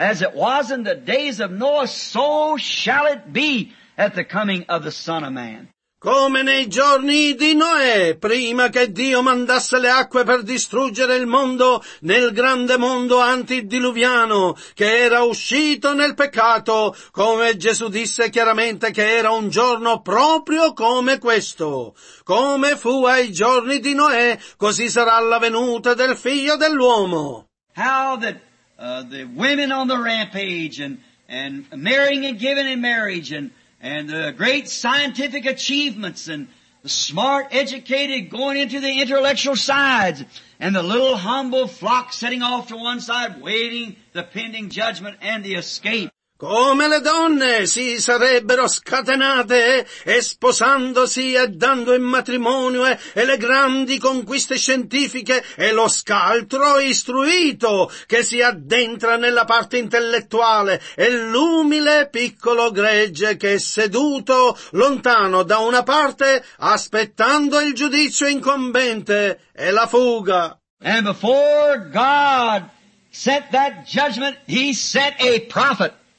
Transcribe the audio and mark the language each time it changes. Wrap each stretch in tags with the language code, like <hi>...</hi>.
<en>As it was in the days of Noah, so shall it be at the coming of the Son of Man.</en> <it>Come nei giorni di Noè, prima che Dio mandasse le acque per distruggere il mondo nel grande mondo antidiluviano, che era uscito nel peccato, come Gesù disse chiaramente che era un giorno proprio come questo. Come fu ai giorni di Noè, così sarà la venuta del figlio dell'uomo.</it> <en>How that the women on the rampage and marrying and giving in marriage and the great scientific achievements and the smart educated going into the intellectual sides and the little humble flock setting off to one side waiting the pending judgment and the escape.</en> <it>Come le donne si sarebbero scatenate e sposandosi e dando in matrimonio e le grandi conquiste scientifiche e lo scaltro istruito che si addentra nella parte intellettuale e l'umile piccolo gregge che è seduto lontano da una parte aspettando il giudizio incombente e la fuga.</it> <en>And before God set that judgment, he set a prophet.</en>